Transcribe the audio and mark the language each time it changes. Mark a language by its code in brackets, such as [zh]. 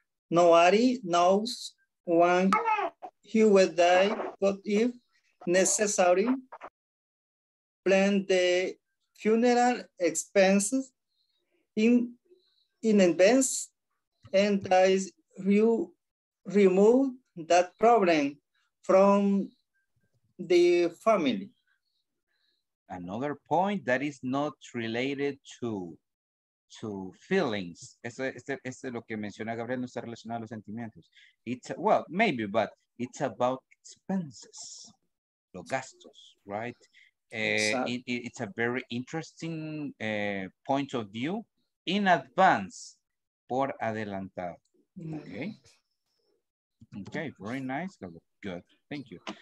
[en] Nobody knows when he will die, but if necessary, plan the funeral expenses in advance and dies, you remove that problem from the family. Another point that is not related to feelings. [es] Eso es lo que menciona Gabriel, no está relacionado a los sentimientos. [en] It's, well, maybe, but it's about expenses, [es] los gastos, [en] right? It's a very interesting point of view. In advance, [es] por adelantado. [en] Okay. Okay, very nice. Good. Thank you.